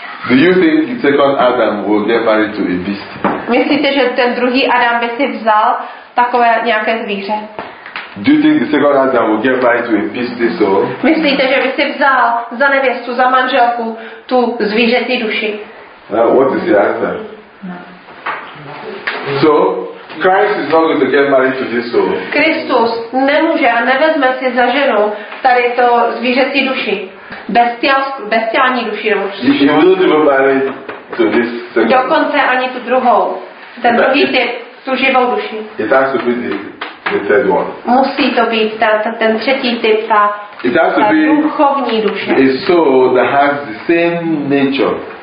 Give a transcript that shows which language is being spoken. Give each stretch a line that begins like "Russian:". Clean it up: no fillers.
English: Do you think the second Adam will get married to a beast?
Czech: Myslíte, že ten druhý Adam by si vzal takové nějaké zvíře?
English: Do you think the second Adam will get married to a beast this or?
Czech: Myslíte, že by si vzal za nevěstu, za manželku tu zvířetí duši?
English: What is the answer? So, Christ is not going to get married to this soul.
Czech: Kristus nemůže a nevezme si za ženu tady to zvířecí duši. Bestiální duši nebo všichni.
English: He will not even marry to this second.
Czech: Dokonce ani tu druhou. Ten but druhý typ, tu živou duši.
English: It has to be the third one.
Czech: Musí to být ten třetí typ, ta duchovní duše.
English: It has to be a soul that has the same nature.